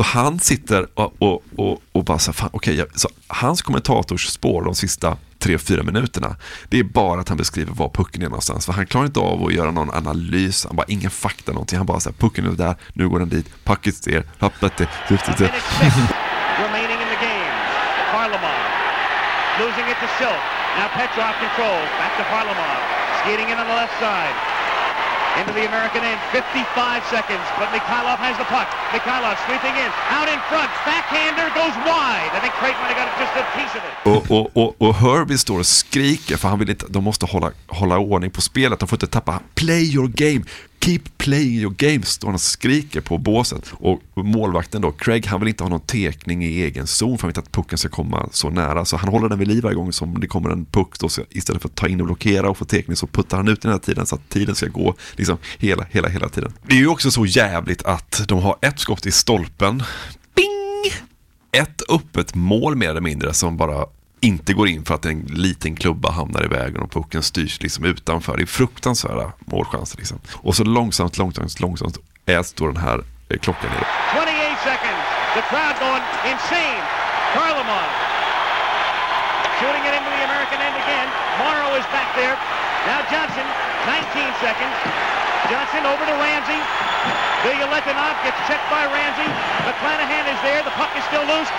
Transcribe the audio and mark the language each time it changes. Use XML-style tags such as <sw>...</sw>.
<sv>Så han sitter och bara säger, fan, okej. Okay. Så hans kommentators spår de sista 3-4 minuterna, det är bara att han beskriver var pucken är någonstans, för han klarar inte av att göra någon analys, han bara, ingen fakta någonting, han bara säger, pucken är där, nu går den dit, packet är, hoppet är, lyftet är.</sv> <en>Remaining in the game, Harlamov losing it to Silk, now Petrov controls, back to Harlamov, skating in on the left side into the American end, 55 seconds, but Mikhailov has the puck. Mikhailov sweeping in, out in front, backhander goes wide, and then Kreitman got just a piece of it.</en> <sv>Och Herbie står och skriker, för han vill inte, de måste hålla ordning på spelet, de får inte tappa,</sv> <en>play your game. Keep playing your game,</en> <sv>står han och skriker på båset. Och målvakten då, Craig, han vill inte ha någon tekning i egen zon, för han vet att pucken ska komma så nära. Så han håller den vid liv varje gång som det kommer en puck då, så istället för att ta in och blockera och få tekning, så puttar han ut den här tiden så att tiden ska gå liksom hela tiden. Det är ju också så jävligt att de har ett skott i stolpen. Bing! Ett öppet mål mer eller mindre som bara inte går in för att en liten klubba hamnar i vägen och pucken styrs liksom utanför. Det är fruktansvärda målchanser liksom. Och så långsamt står den här klockan nere.</sv> <en>28 seconds. The crowd going insane. Karlamov shooting it into the American end again. Morrow is back there. Now Johnson, 19 seconds. Johnson over to Ramsey. Guliletinov gets checked by Ramsey. McClanahan is there. The puck is still loose.</en>